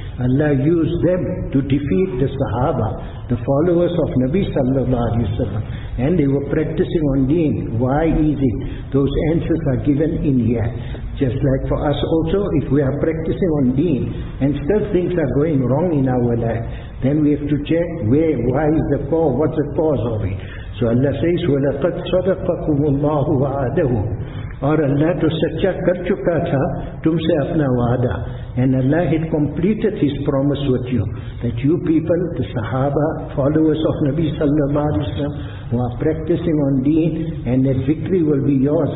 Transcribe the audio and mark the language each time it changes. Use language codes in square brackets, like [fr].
[en] Allah used them to defeat the Sahaba, the followers of Nabi sallallahu alayhi wa sallam. And they were practicing on deen. Why is it? Those answers are given in here. Just like for us also, if we are practicing on deen and still things are going wrong in our life, then we have to check where, why is the cause, what's the cause of it. So Allah says, [ar] وَلَقَدْ صَدَقَكُمُ اللَّهُ وَعَدَهُ. [ur] Or Allah to satcha kar chuka tha tumse apna wada, [en] and Allah had completed His promise with you, that you people, the Sahaba, followers of Nabi sallallahu alaihi wasallam, who are practicing on deen, and that victory will be yours.